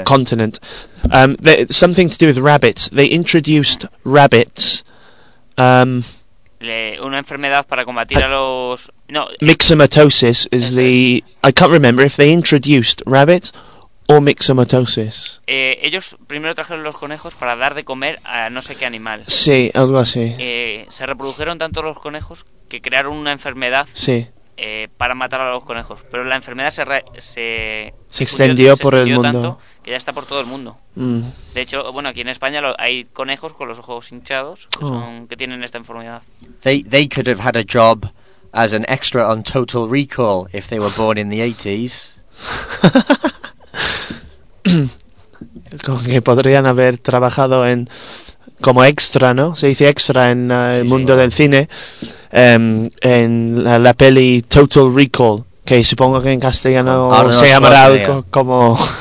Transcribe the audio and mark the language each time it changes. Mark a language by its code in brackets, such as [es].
[en] or continent. Something to do with rabbits. They introduced rabbits... [es] una enfermedad para combatir a los... No, [en] myxomatosis is the... I can't remember if they introduced rabbits or myxomatosis. [es] Ellos primero trajeron los conejos para dar de comer a no sé qué animal. Sí, algo así. Se reprodujeron tanto los conejos que crearon una enfermedad sí. Para matar a los conejos. Pero la enfermedad se extendió por el mundo. Tanto que ya está por todo el mundo. Mm. De hecho, bueno, aquí en España hay conejos con los ojos hinchados que tienen esta enfermedad. [en] They could have had a job as an extra on Total Recall if they were born in the 80s. [es] Con que podrían haber trabajado en como extra, ¿no? Se dice extra en el mundo del cine, en la peli Total Recall. Que supongo que en castellano se llamará algo como...